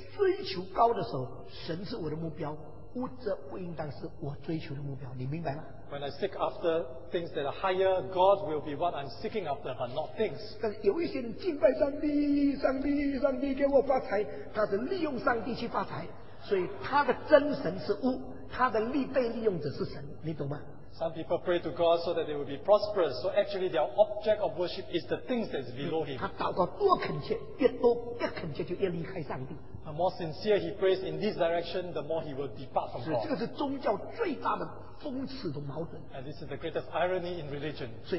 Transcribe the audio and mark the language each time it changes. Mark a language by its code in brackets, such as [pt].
[zh] 追求高的时候，神是我的目标，物质不应当是我追求的目标。你明白吗？ [en] When I seek after things that are higher, God will be what I'm seeking after, but not things. [zh] 但是有一些人敬拜上帝，上帝，上帝给我发财，他是利用上帝去发财，所以他的真神是物。他的利被利用者是神，你懂吗？ [en] Some people pray to God so that they will be prosperous. So actually their object of worship is the things that is below him. [zh] 他祷告多恳切，越多越恳切就越离开上帝。 [en] The more sincere he prays in this direction, the more he will depart from God. [zh] 这个是宗教最大的讽刺的矛盾。 [en] And this is the greatest irony in religion.